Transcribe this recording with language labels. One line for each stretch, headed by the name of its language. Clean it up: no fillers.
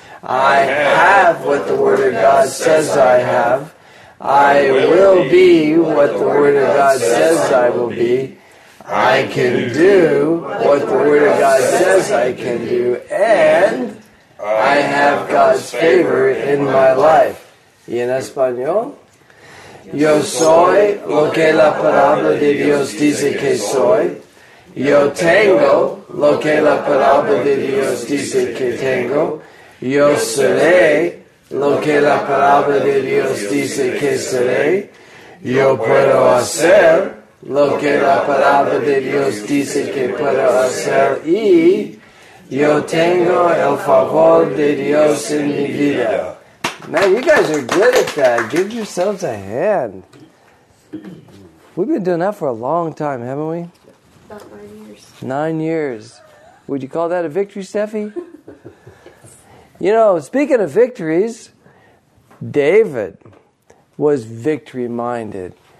English: I have what the Word of God says I have. I will be what the Word of God says I will be. I can do what the Word of God says I can do, and I have God's favor in my life.
Spanish: Y en español, yo soy lo que la palabra de Dios dice que soy. Yo tengo lo que la palabra de Dios dice que tengo. Yo seré lo que la palabra de Dios dice que seré. Yo puedo hacer lo que la palabra de Dios dice que puedo hacer, y yo tengo el favor de Dios en mi vida.
English: Man, you guys are good at that. Give yourselves a hand. We've been doing that for a long time, haven't we? About 9 years. 9 years. Would you call that a victory, Steffi? You know, speaking of victories, David was victory-minded.